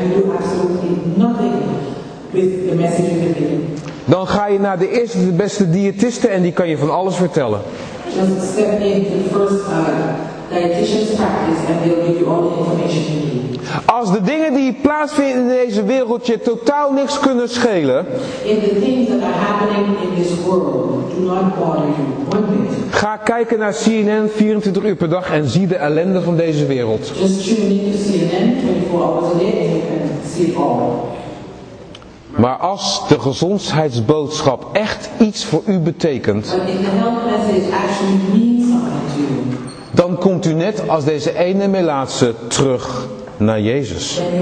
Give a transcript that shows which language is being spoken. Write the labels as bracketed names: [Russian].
[English] You do absolutely nothing with the message you're giving. [Dutch] Dan ga je naar de eerste de beste diëtiste en die kan je van alles vertellen. [English] Just step into the first dietitian's practice and they'll give you all the information you need. [Dutch] Als de dingen die plaatsvinden in deze wereld je totaal niks kunnen schelen. [English] In the things that are happening in this world, do not bother you. One bit. [Dutch] Ga kijken naar CNN 24 uur per dag en zie de ellende van deze wereld. [English] Just tune into CNN 24 hours a day and you can see it all. [Dutch] Maar als de gezondheidsboodschap echt iets voor u betekent. [English] But if the health message actually means something to you. [Dutch] Dan komt u net als deze ene melaatse terug. Naar Jezus.